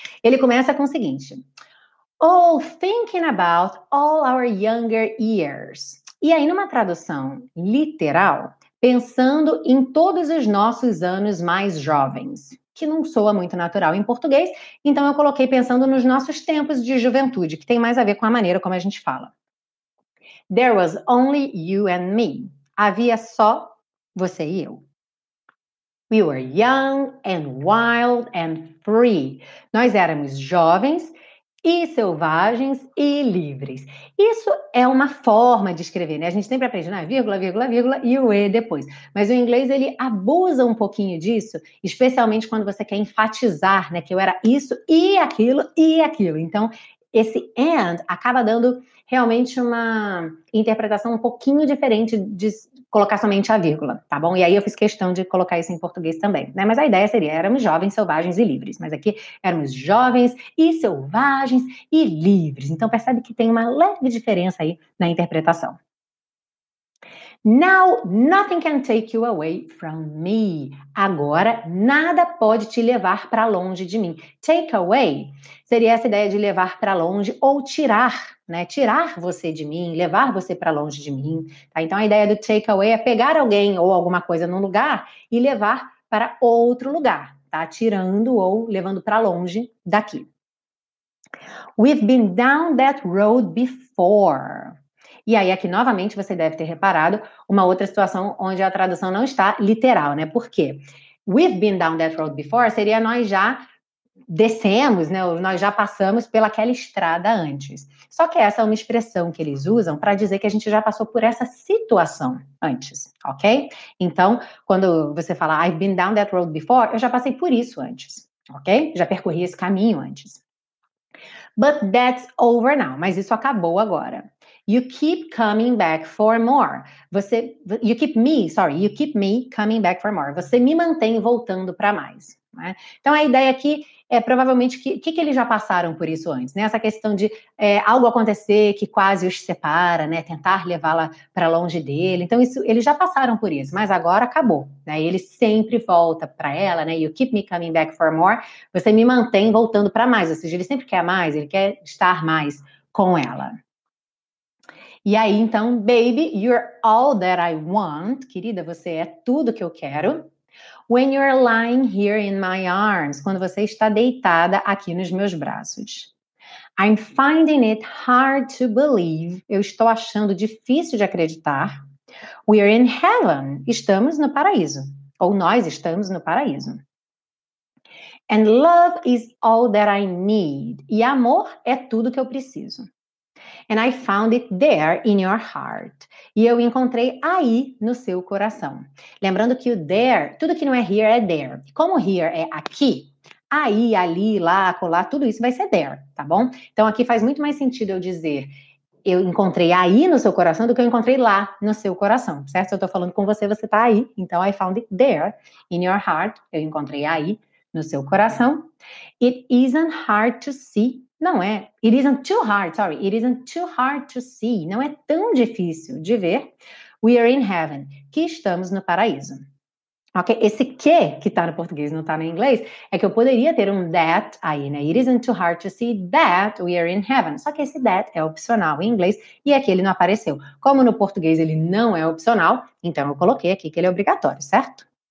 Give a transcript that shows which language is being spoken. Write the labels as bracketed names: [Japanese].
[Portuguese] Ele começa com o seguinte: [English] oh, thinking about all our younger years. [Portuguese] E aí, numa tradução literal, pensando em todos os nossos anos mais jovens, que não soa muito natural em português, então eu coloquei pensando nos nossos tempos de juventude, que tem mais a ver com a maneira como a gente fala. [English] There was only you and me. [Portuguese] Havia só você e eu. [English] We were young and wild and free. [Portuguese] Nós éramos jovens e selvagens e livres. Isso é uma forma de escrever, né? A gente sempre aprende, né? Vírgula, vírgula, vírgula e o E depois. Mas o inglês, ele abusa um pouquinho disso, especialmente quando você quer enfatizar, né? Que eu era isso e aquilo e aquilo. Então, esse and acaba dando realmente uma interpretação um pouquinho diferente de colocar somente a vírgula, tá bom? E aí eu fiz questão de colocar isso em português também, né? Mas a ideia seria, éramos jovens, selvagens e livres. Mas aqui, éramos jovens e selvagens e livres. Então percebe que tem uma leve diferença aí na interpretação. [English] Now, nothing can take you away from me. [Portuguese] Agora, nada pode te levar para longe de mim. Take away seria essa ideia de levar para longe ou tirar, né? Tirar você de mim, levar você para longe de mim. Tá? Então, a ideia do take away é pegar alguém ou alguma coisa num lugar e levar para outro lugar, tá? Tirando ou levando para longe daqui. [English] We've been down that road before. [Portuguese] E aí, aqui, novamente, você deve ter reparado uma outra situação onde a tradução não está literal, né? Por quê? [English] We've been down that road before [Portuguese] seria nós já descemos, né? Nós já passamos pelaquela estrada antes. Só que essa é uma expressão que eles usam para dizer que a gente já passou por essa situação antes, ok? Então, quando você fala [English] I've been down that road before, [Portuguese] eu já passei por isso antes, ok? Já percorri esse caminho antes. [English] But that's over now. [Portuguese] Mas isso acabou agora. [English] You keep coming back for more. You keep me coming back for more. [Portuguese] Você me mantém voltando para mais. Né? Então, a ideia aqui é provavelmente que eles já passaram por isso antes. Né? Essa questão de algo acontecer que quase os separa, né? Tentar levá-la para longe dele. Então, isso, eles já passaram por isso, mas agora acabou. Né? Ele sempre volta para ela. Né? [English] You keep me coming back for more. [Portuguese] Você me mantém voltando para mais. Ou seja, ele sempre quer mais. Ele quer estar mais com ela. E aí, então, [English] baby, you're all that I want. [Portuguese] Querida, você é tudo que eu quero. [English] When you're lying here in my arms. [Portuguese] Quando você está deitada aqui nos meus braços. [English] I'm finding it hard to believe. [Portuguese] Eu estou achando difícil de acreditar. [English] We're in heaven. [Portuguese] Estamos no paraíso. Ou nós estamos no paraíso. [English] And love is all that I need. [Portuguese] E amor é tudo que eu preciso. [English] And I found it there in your heart. [Portuguese] E eu encontrei aí no seu coração. Lembrando que o there, tudo que não é here é there. Como here é aqui, aí, ali, lá, acolá, tudo isso vai ser there, tá bom? Então aqui faz muito mais sentido eu dizer eu encontrei aí no seu coração do que eu encontrei lá no seu coração, certo? Se eu tô falando com você, você tá aí. Então [English] I found it there in your heart, [Portuguese] eu encontrei aí no seu coração. [English] It isn't hard to see. [Portuguese] Não é. [English] It isn't too hard, sorry. It isn't too hard to see. [Portuguese] Não é tão difícil de ver. [English] We are in heaven. [Portuguese] Que estamos no paraíso. Ok? Esse que tá no português, não tá no inglês, é que eu poderia ter um that aí, né? [English] It isn't too hard to see that we are in heaven. [Portuguese] Só que esse that é opcional em inglês e aqui ele não apareceu. Como no português ele não é opcional, então eu coloquei aqui que ele é obrigatório, certo?